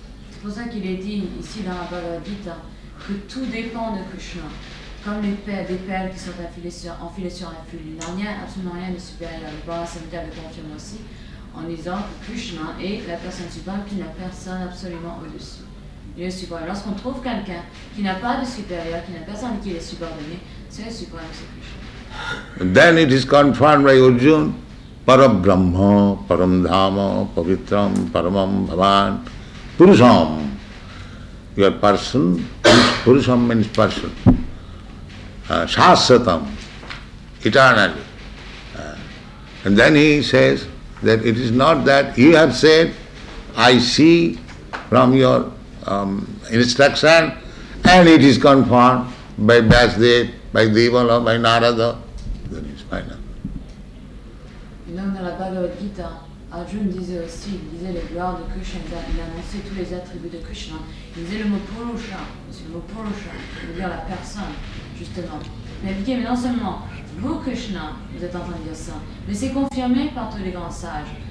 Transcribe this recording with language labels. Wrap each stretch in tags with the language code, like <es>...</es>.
<fr>C'est pour ça qu'il est dit ici dans la Bhagavad Gita, que tout dépend de Krishna, comme les perles qui sont enfilées sur un fil. Il n'y a rien, absolument rien de supérieur. Le Brahma Samhita le confirme aussi en disant que Krishna est la personne suprême qui n'a personne absolument au-dessus. Il est suprême. Lorsqu'on trouve quelqu'un qui n'a pas de supérieur, qui n'a personne qui l'est subordonné, c'est le suprême, c'est Krishna.</fr> <en>Then it is confirmed by Arjuna,</en> <sa>Parabrahma, Paramdhama, Pavitram, Paramam, Bhavan, Purusham.</sa> <en>Your person, Purusham means person. Shasatam, eternally. And then he says that it is not that you have said, I see from your instruction, and it is confirmed by Vyasadeva, by Devala, by Narada. Then it's final.</en> <fr>Donc dans la Bhagavad Gita, Arjuna disait aussi, il disait les gloires de Krishna, il annonçait tous les attributs de Krishna. Il disait le mot Purusha, c'est le mot Purusha, qui veut dire la personne, justement. Mais non seulement vous, Krishna, vous êtes en train de dire ça, mais c'est confirmé par tous les grands sages.</fr>